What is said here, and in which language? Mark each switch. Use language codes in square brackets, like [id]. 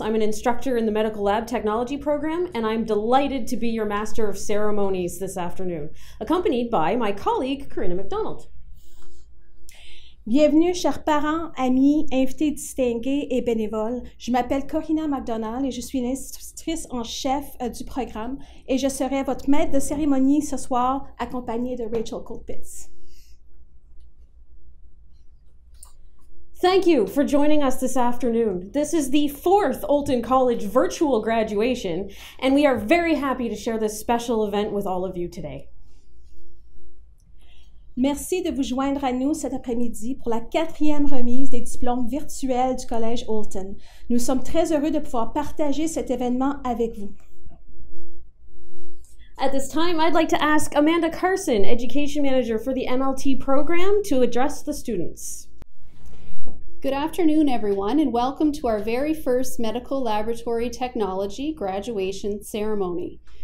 [en] I'm an instructor in the Medical Lab Technology Program, and I'm delighted to be your Master of Ceremonies this afternoon, accompanied by my colleague, Karina McDonald. [fr] Bienvenue, chers parents, amis, invités distingués et bénévoles. Je m'appelle Karina McDonald et je suis l'instructrice en chef du programme, et je serai votre maître de cérémonie ce soir, accompagnée de Rachel Kolpitz. [en] Thank you for joining us this afternoon. This is the fourth Oulton College virtual graduation, and we are very happy to share this special event with all of you today. [fr] Merci de vous joindre à nous cet après-midi pour la quatrième remise des diplômes virtuels du Collège Oulton. Nous sommes très heureux de pouvoir partager cet événement avec vous. [en] At this time, I'd like to ask Amanda Carson, Education Manager for the MLT program, to address the students. Good afternoon, everyone, and welcome to our very first Medical Laboratory Technology graduation ceremony.